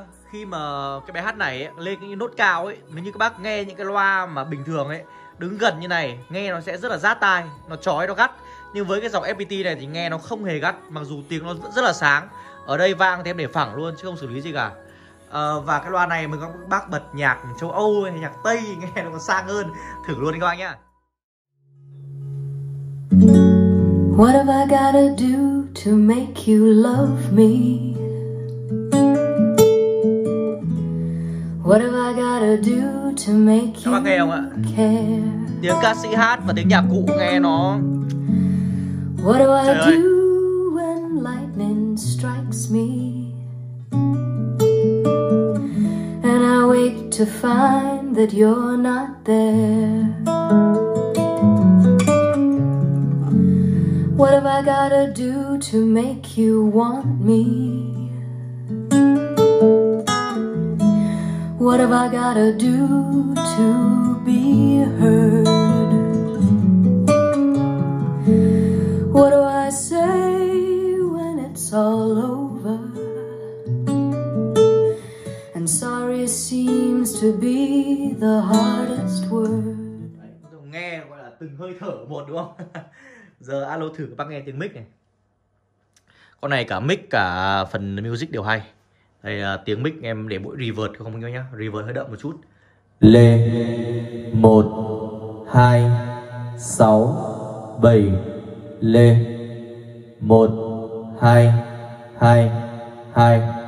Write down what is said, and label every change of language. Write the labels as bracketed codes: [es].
[vi] Khi mà cái bài hát này ấy, lên cái nốt cao ấy, nếu như các bác nghe những cái loa mà bình thường ấy, đứng gần như này, nghe nó sẽ rất là rát tai, nó chói, nó gắt. Nhưng với cái dòng FPT này thì nghe nó không hề gắt, mặc dù tiếng nó rất là sáng. Ở đây vang thì em để phẳng luôn, chứ không xử lý gì cả. Và cái loa này mình các bác bật nhạc châu Âu hay nhạc Tây nghe nó còn sang hơn. Thử luôn đi các bác nhá. [en] What have I gotta do to make you love me? What have I gotta do to make you care? [vi] Tiếng ca sĩ hát và tiếng nhạc cụ nghe nó. [en] What do I do when lightning strikes me? And I wake to find that you're not there. What have I gotta do to make you want me? What have I gotta do to be heard? What do I say when it's all over? And sorry seems to be the hardest word. [vi] Đấy, nghe gọi là từng hơi thở một đúng không? Giờ alo thử các bác nghe tiếng mic này. Con này cả mic cả phần music đều hay. Đây là tiếng mic, em để mỗi reverb không nhớ nhá, reverb hơi đậm một chút. Lê 1 2 6 7 Lê 1 2 2 2.